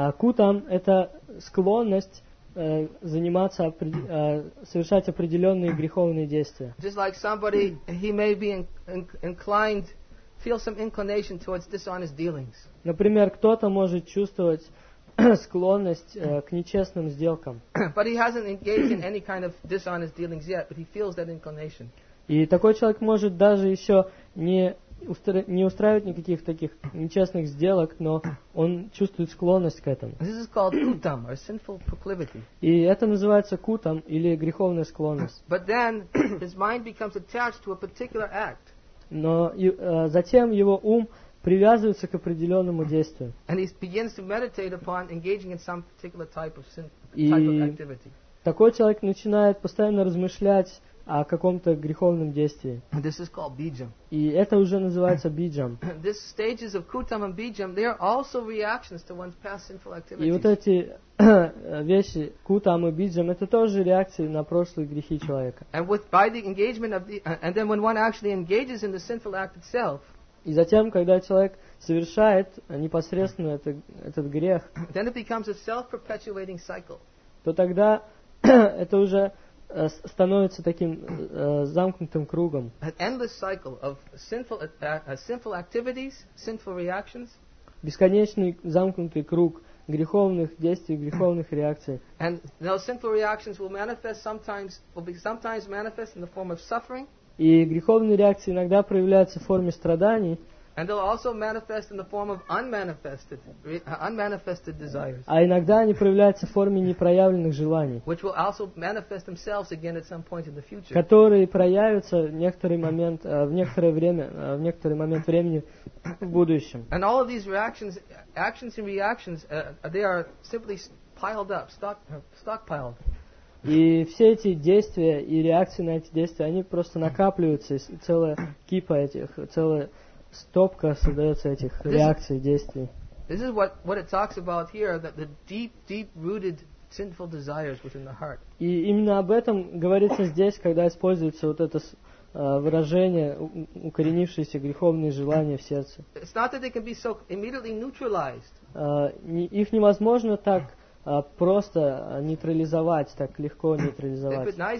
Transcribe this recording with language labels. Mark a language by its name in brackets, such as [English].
[Russian] Кутам это склонность заниматься, совершать определенные греховные действия. [English] Just like somebody, he may be inclined feel some inclination towards dishonest dealings. [Russian] Например, кто-то может чувствовать склонность к нечестным сделкам. [English] But he hasn't engaged in any kind of dishonest dealings yet, but he feels that inclination. [Russian] И такой человек может даже еще не устраивать никаких таких нечестных сделок, но он чувствует склонность к этому. [English] This is called kutam, or sinful proclivity. [Russian] И это называется кутам или греховная склонность. [English] But then his mind becomes attached to a particular act. [Russian] Но затем его ум привязывается к определенному действию. [English] And he begins to meditate upon engaging in some particular type of activity. [Russian] Такой человек начинает постоянно размышлять о каком-то греховном действии. [English] This is called bijam. [Russian] И это уже называется биджам. [English] This stages of kutam and bijam, they are also reactions to one's past sinful activities. [Russian] И вот эти вещи, кутам и биджам, это тоже реакции на прошлые грехи человека. [English] And with by the engagement of the and then when one actually engages in the sinful act itself. [Russian] И затем, когда человек совершает непосредственно этот грех, [English] then it becomes a self-perpetuating cycle. [Russian] То тогда это уже становится таким замкнутым кругом. [English] An endless cycle of sinful activities, sinful reactions. [Russian] Бесконечный замкнутый круг греховных действий, греховных реакций. [English] And those sinful reactions will sometimes manifest in the form of suffering. [Russian] И греховные реакции иногда проявляются в форме страданий. [English] And they'll also manifest in the form of unmanifested desires. [Russian] А иногда они проявляются в форме непроявленных желаний. [English] Which will also manifest themselves again at some point in the future. [Russian] Которые проявятся в некоторый момент времени в будущем. [English] And all of these reactions, actions and reactions, they are simply piled up, stockpiled. [Russian] И все эти действия и реакции на эти действия, они просто накапливаются, и целая кипа этих, целая стопка создается этих реакций, действий. [English] This is what it talks about here, that the deep rooted sinful desires within the heart. [Russian] И именно об этом говорится здесь, когда используется вот это выражение, укоренившиеся греховные желания в сердце. [English] It's not that they can be so immediately neutralized. [Russian] Их невозможно так просто нейтрализовать, так легко нейтрализовать.